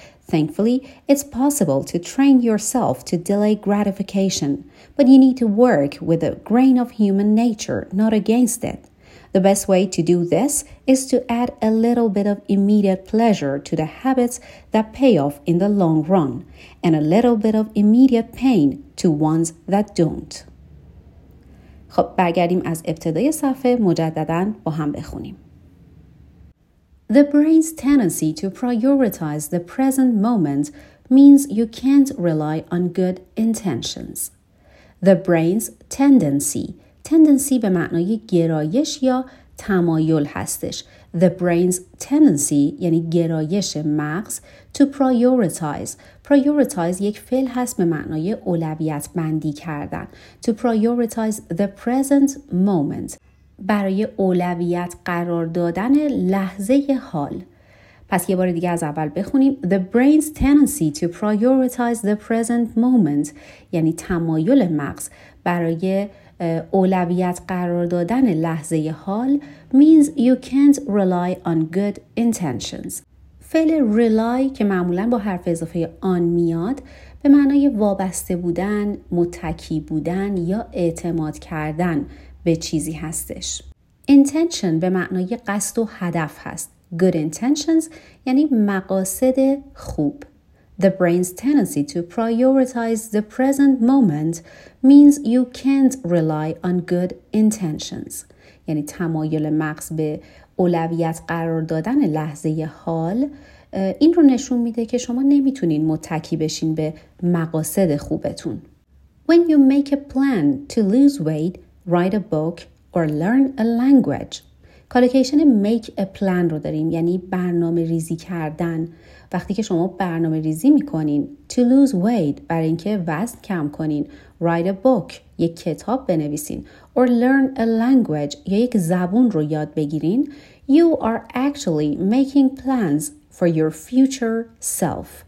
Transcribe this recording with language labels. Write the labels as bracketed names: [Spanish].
[English] Thankfully, it's possible to train yourself to delay gratification, but you need to work with a grain of human nature, not against it. The best way to do this is to add a little bit of immediate pleasure to the habits that pay off in the long run, and a little bit of immediate pain to ones that don't. [Persian] خب برگردیم از ابتدای صفحه مجدداً با هم بخونیم. [English] The brain's tendency to prioritize the present moment means you can't rely on good intentions. The brain's tendency. [Persian] Tendency به معنای گرایش یا تمایل هستش. [English] The brain's tendency [Persian] یعنی گرایش مغز [English] to prioritize. [Persian] Prioritize یک فعل هست به معنای اولویت بندی کردن. [English] To prioritize the present moment. [Persian] برای اولویت قرار دادن لحظه حال. پس یه بار دیگه از اول بخونیم. [English] The brain's tendency to prioritize the present moment. [Persian] یعنی تمایل مغز برای اولویت قرار دادن لحظه حال [English] means you can't rely on good intentions. [Persian] فعل rely که معمولاً با حرف اضافه آن میاد به معنای وابسته بودن، متکی بودن یا اعتماد کردن به چیزی هستش. Intention به معنای قصد و هدف هست. Good intentions یعنی مقاصد خوب. [English] The brain's tendency to prioritize the present moment means you can't rely on good intentions. [Persian] یعنی تمایل مغز به اولویت قرار دادن لحظه حال این رو نشون میده که شما نمیتونین متکی بشین به مقاصد خوبتون. [English] When you make a plan to lose weight, write a book or learn a language. [Persian] کالوکیشن make a plan رو داریم، یعنی برنامه ریزی کردن. وقتی که شما برنامه ریزی میکنین [English] to lose weight [Persian] برای اینکه وزن کم کنین، [English] write a book [Persian] یک کتاب بنویسین، [English] or learn a language [Persian] یا یک زبون رو یاد بگیرین، [English] you are actually making plans for your future self.